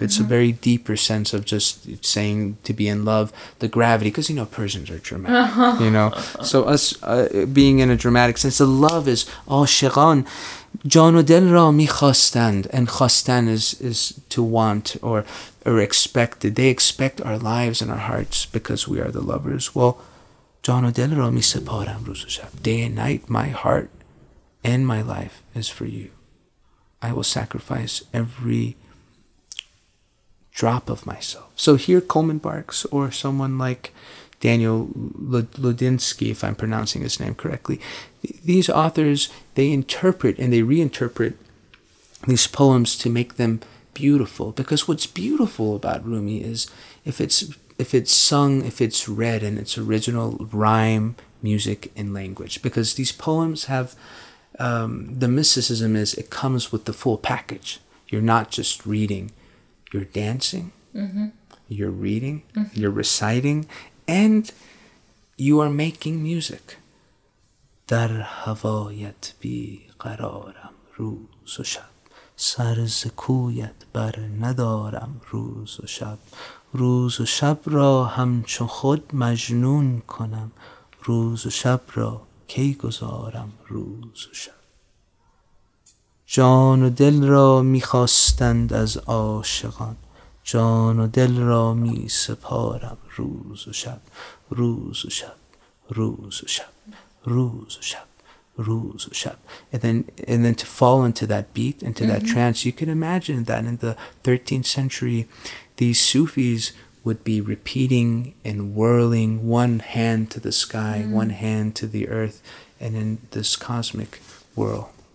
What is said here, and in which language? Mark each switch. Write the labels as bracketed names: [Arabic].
[English] It's mm-hmm. a very deeper sense of just saying to be in love, the gravity, because, you know, Persians are dramatic, you know. So us being in a dramatic sense, the love is عاشقان, [Persian] جان و دل را میخواستند, [English] and خواستن is to want or expected. They expect our lives and our hearts because we are the lovers. [Persian] Well, جان و دل را میسپارم روز و شب. [English] Day and night, my heart and my life is for you. I will sacrifice every drop of myself. So here Coleman Barks or someone like Daniel Ludinsky, if I'm pronouncing his name correctly, these authors, they interpret and they reinterpret these poems to make them beautiful. Because what's beautiful about Rumi is if it's sung, if it's read in its original rhyme, music, and language. Because these poems have... the mysticism is it comes with the full package. You're not just reading, you're dancing, mm-hmm. you're reading, mm-hmm. you're reciting, and you are making music. [Persian] در هوایت بی قرارم روز و شب سر ز کویت بر ندارم روز و شب روز و شب را همچو خود مجنون کنم روز و شب را کی گذارم روز و شب جان و دل را میخواستند از عاشقان جان و دل را می سپارم روز و شب روز و شب روز و شب روز و شب روز و شب. [English] And then to fall into that beat, into mm-hmm. that trance, you can imagine that in the 13th century these Sufis would be repeating and whirling one hand to the sky, mm. one hand to the earth, and in this cosmic whirl.